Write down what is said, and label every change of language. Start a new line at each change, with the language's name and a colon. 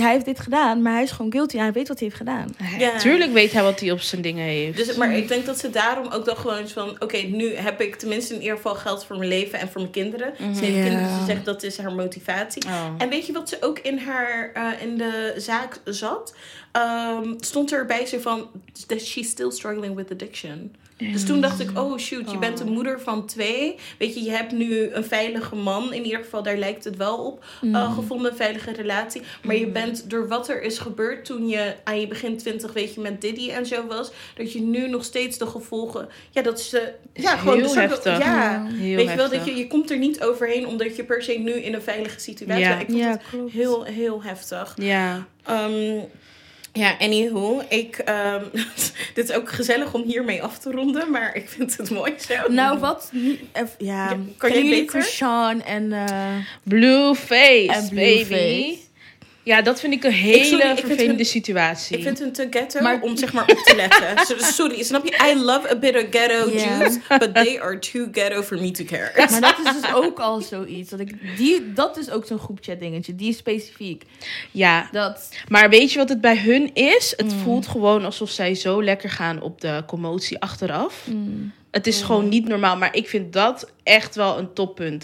Dutch: Hij heeft dit gedaan, maar hij is gewoon guilty. Hij weet wat hij heeft gedaan.
English: Yeah.
Dutch: Tuurlijk weet hij wat hij op zijn dingen heeft. Dus, maar ik denk dat ze daarom ook dan gewoon is van... Oké, nu heb ik tenminste in ieder geval geld voor mijn leven en voor mijn kinderen. Ze heeft kinderen, ze zegt dat is haar motivatie. Oh. En weet je wat ze ook in haar in de zaak zat? Stond er bij ze van...
English: That she's still struggling with addiction.
Dutch: Dus toen dacht ik, oh shoot, je bent een moeder van twee. Weet je, je hebt nu een veilige man. In ieder geval, daar lijkt het wel op. Gevonden, een veilige relatie. Maar je bent, door wat er is gebeurd toen je aan je begin 20, weet je, met Diddy en zo was. Dat je nu nog steeds de gevolgen... Ja, dat ze... Ja, is gewoon heel heftig. Ja, heel weet je wel, dat je komt er niet overheen omdat je per se nu in een veilige situatie bent. Ja, ik vond het heel, heel heftig. Ja. Ja, anywho, ik, dit is ook gezellig om hiermee af te ronden, maar ik vind het mooi zo. Nou, wat? Kan je beter? Sean en... Blueface, baby. Ja, dat vind ik een hele vervelende situatie. Ik vind het te ghetto om zeg maar op te letten. Sorry, snap je?
English: I love a bit of ghetto juice, but they are too ghetto for me to care.
Dutch: Maar dat is dus ook al zoiets. Dat is ook zo'n groepchat dingetje, die is specifiek. Ja, dat. Maar weet je wat het bij hun is? Het voelt gewoon alsof zij zo lekker gaan op de commotie achteraf. Het is gewoon niet normaal, maar ik vind dat echt wel een toppunt.